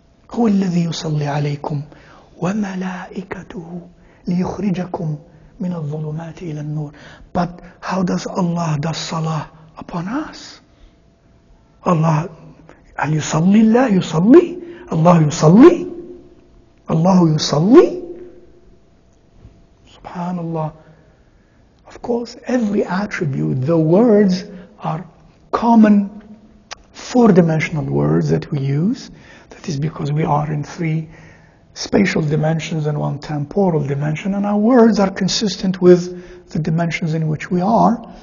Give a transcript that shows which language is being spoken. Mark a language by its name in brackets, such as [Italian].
[Arabic] هو الذي يصلي عليكم وملائكته ليخرجكم من الظلمات إلى النور. [English] But how does Allah does salah upon us? [Arabic] Allah هل يصلي الله يصلي الله يصلي الله يصلي سبحان الله. [English] Of course, every attribute, the words are common four-dimensional words that we use. That is because we are in three spatial dimensions and one temporal dimension, and our words are consistent with the dimensions in which we are.